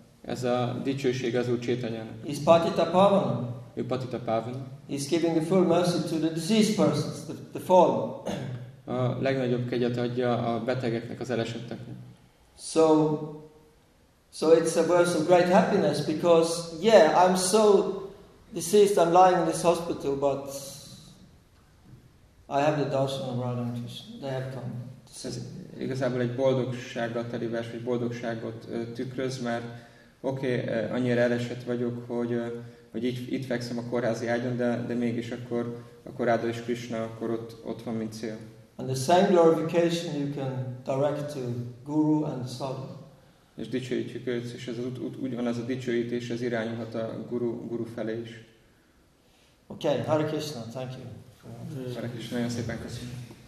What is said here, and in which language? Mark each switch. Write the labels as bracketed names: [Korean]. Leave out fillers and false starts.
[Hungarian] Ez a dicsőség az Úr Chaitanyának. [English] He's Patita Pavana. [Hungarian] Ő Patita Pavana. [English] He's giving the full mercy to the diseased persons, the fallen. [Hungarian] A legnagyobb kegyet adja a betegeknek, az elesetteknek. [English] So it's a verse of great happiness because, yeah, I'm so diseased, I'm lying in this hospital, but I have the darshan of Radha and Krishna. They have come. [Hungarian] Ez igazából egy boldogsággal teli vers, vagy boldogságot tükröz, mert oké, annyira elesett vagyok, hogy itt fekszem a kórházi ágyon, de mégis akkor Radha és Krishna akkor ott van, mint cél. [English] And the same glorification you can direct to Guru and Sadhu. [Hungarian] És dicsőítjük őt, és ez ugyanaz a dicsőítés, ez irányulhat a guru felé is. [English] Okay, Hare Krishna, thank you. [Hungarian] Hare Krishna, nagyon szépen köszönöm.